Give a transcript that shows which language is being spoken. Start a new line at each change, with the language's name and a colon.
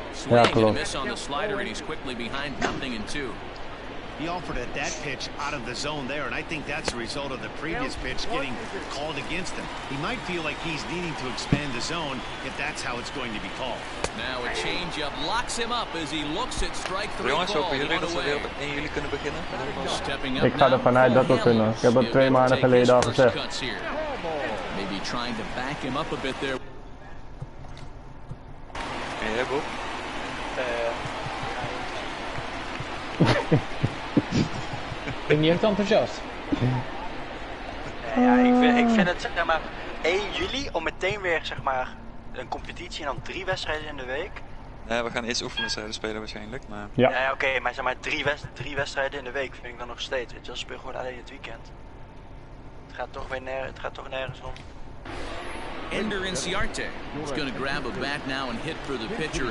Dutch: Ja, klopt.
English: Miss on the slider, and he's quickly behind, nothing in two. He offered at that pitch out of the zone there, and I think that's a result of the previous pitch getting called against him. He might feel like he's needing to expand the zone if that's how it's going to be called. Now a changeup locks him up as he looks at strike three.
Dutch: Jongens, hopen jullie dat we en jullie kunnen beginnen? Ik ga ervan uit dat we kunnen. Ik heb het 2 maanden geleden al gezegd.
English: Maybe trying to back him up a bit there. Hey, Bob.
Dutch: Ik ben niet echt enthousiast. Ja, ik vind het, zeg maar, 1 juli om meteen weer, zeg maar, een competitie en dan 3 wedstrijden in de week. Nee, we gaan eerst oefenwedstrijden spelen waarschijnlijk, maar... Ja, ja, oké, okay, maar zeg maar 3 wedstrijden in de week vind ik dan nog steeds. Weet je, dat speel gewoon alleen het weekend. Het gaat toch weer nergens om.
English: Ender Inciarte is going to grab a bat now and hit for the pitcher